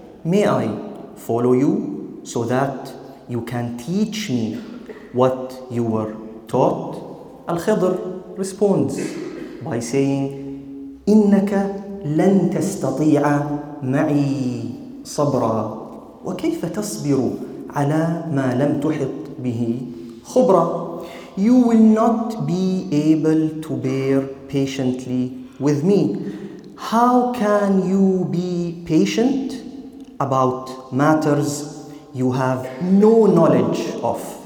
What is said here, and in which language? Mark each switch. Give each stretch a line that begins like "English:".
English: May I follow you so that you can teach me what you were taught? Al-Khidr responds by saying,
Arabic: إنك لن تستطيع معي صبرا وكيف تصبر على ما لم تحط به خبرا.
English: You will not be able to bear patiently with me. How can you be patient about matters you have no knowledge of?